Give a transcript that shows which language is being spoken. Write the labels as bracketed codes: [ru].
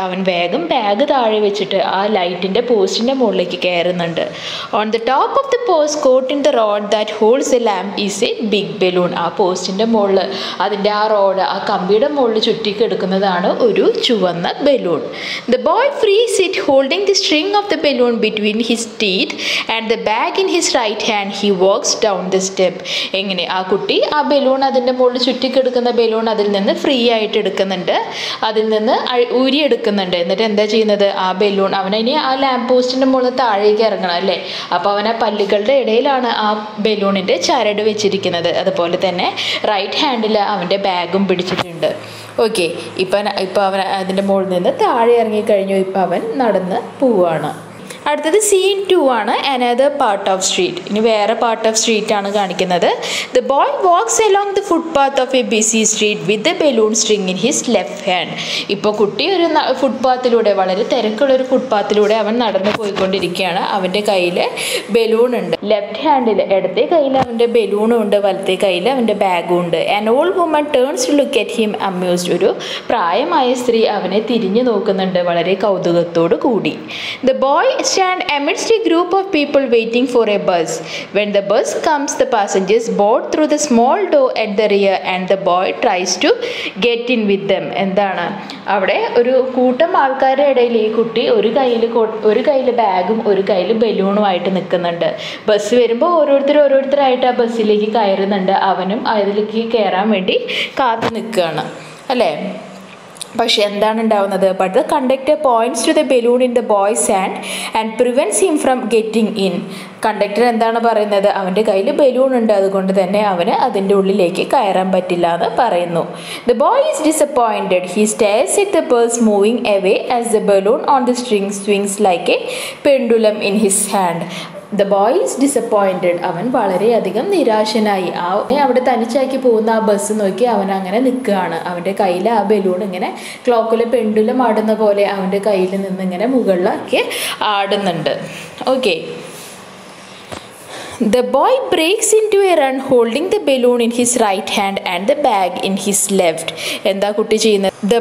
[ml] അവൻ വേഗം ബാഗ് താഴെ വെച്ചിട്ട് ആ ലൈറ്റിൻ്റെ പോസ്റ്റിൻ്റെ മുകളിലേക്ക് കയറുന്നുണ്ട്. [en] On the top of the post coat in the road that holds a lamp is a big balloon. [ml] ആ പോസ്റ്റിൻ്റെ മുകളിൽ, അതിൻ്റെ ആ റോഡ്, ആ കമ്പിയുടെ മുകളിൽ ചുറ്റി കിടക്കുന്നതാണ് ഒരു ചുവന്ന balloon. [en] The boy frees it, holding the string of the balloon between his teeth and the bag in his right hand. He walks down the step. [ml] എങ്ങനെ ആ കുട്ടി ആ ബലൂൺ, അതിൻ്റെ മുകളിൽ ചുറ്റിക്കെടുക്കുന്ന ബലൂൺ അതിൽ നിന്ന് ഫ്രീ ആയിട്ട് എടുക്കുന്നുണ്ട്, അതിൽ നിന്ന് ഊരിയെടുക്കുന്നുണ്ട്. എന്നിട്ട് എന്താ ചെയ്യുന്നത്? ആ ബലൂൺ, അവനിനി ആ ലാമ്പ് പോസ്റ്റിൻ്റെ മുകളിൽ താഴേക്ക് ഇറങ്ങണം അല്ലേ. അപ്പോൾ അവൻ ആ പല്ലുകളുടെ ഇടയിലാണ് ആ ബലൂണിൻ്റെ ചരട് വെച്ചിരിക്കുന്നത്. അതുപോലെ തന്നെ റൈറ്റ് ഹാൻഡിൽ അവൻ്റെ ബാഗും പിടിച്ചിട്ടുണ്ട്. ഓക്കെ, ഇപ്പോൾ അവൻ അതിൻ്റെ മുകളിൽ നിന്ന് താഴെ ഇറങ്ങിക്കഴിഞ്ഞു. ഇപ്പോൾ അവൻ നടന്ന് പോവുകയാണ്. അടുത്തത് സീൻ ടു ആണ്, [en] Another part of street. [ml] ഇനി വേറെ പാർട്ട് ഓഫ് സ്ട്രീറ്റാണ് കാണിക്കുന്നത്. [en] The boy walks along the footpath of a busy street with a balloon string in his left hand. [ml] ഇപ്പോൾ കുട്ടി ഒരു ഫുട്പാത്തിലൂടെ, വളരെ തിരക്കുള്ളൊരു ഫുട്പാത്തിലൂടെ അവൻ നടന്നു പോയിക്കൊണ്ടിരിക്കുകയാണ്. അവൻ്റെ കയ്യിൽ ബലൂൺ ഉണ്ട്, ലെഫ്റ്റ് ഹാൻഡിൽ, ഇടത്തെ കയ്യിൽ അവൻ്റെ ബലൂണും ഉണ്ട്, വലത്തെ കയ്യിൽ അവൻ്റെ ബാഗും ഉണ്ട്. [en] An old woman turns to look at him amused. [ml] ഒരു പ്രായമായ സ്ത്രീ അവനെ തിരിഞ്ഞു നോക്കുന്നുണ്ട് വളരെ കൗതുകത്തോടു കൂടി. [en] The boy stand amidst a group of people waiting for a bus. When the bus comes, the passengers board through the small door at the rear and the boy tries to get in with them. [ml] എന്താണ് അവിടെ? ഒരു കൂട്ടം ആൾക്കാരുടെ ഇടയിൽ ഈ കുട്ടി ഒരു കയ്യിൽ ബാഗും ഒരു കയ്യിൽ ബലൂണുമായിട്ട് നിൽക്കുന്നുണ്ട്. ബസ് വരുമ്പോൾ ഓരോരുത്തരായിട്ട് ആ ബസ്സിലേക്ക് കയറുന്നുണ്ട്. അവനും അതിലേക്ക് കയറാൻ വേണ്ടി കാത്തു നിൽക്കുകയാണ് അല്ലേ. പക്ഷെ എന്താണ് ഉണ്ടാവുന്നത്? [en] But the conductor points to the balloon in the boy's hand and prevents him from getting in. [ml] Conductor എന്താണ് പറയുന്നത്? അവൻ്റെ കയ്യിൽ ബലൂൺ ഉണ്ട്, അതുകൊണ്ട് തന്നെ അവന് അതിൻ്റെ ഉള്ളിലേക്ക് കയറാൻ പറ്റില്ല എന്ന് പറയുന്നു. [en] The boy is disappointed. He stares at the bus moving away as the balloon on the string swings like a pendulum in his hand. The boy is disappointed. [ml] അവൻ വളരെയധികം നിരാശനായി. ആ അവിടെ തനിച്ചാക്കി പോകുന്ന ആ ബസ് നോക്കി അവൻ അങ്ങനെ നിൽക്കുകയാണ്. അവൻ്റെ കയ്യിൽ ആ ബലൂൺ ഇങ്ങനെ ക്ലോക്കിലെ പെൻഡുലം ആടുന്ന പോലെ അവൻ്റെ കയ്യിൽ നിന്ന് ഇങ്ങനെ മുകളിലൊക്കെ ആടുന്നുണ്ട്. [en] Okay, The boy breaks into a run holding the balloon in his right hand and the bag in his left. [ml] എന്താ കുട്ടി ചെയ്യുന്നത്?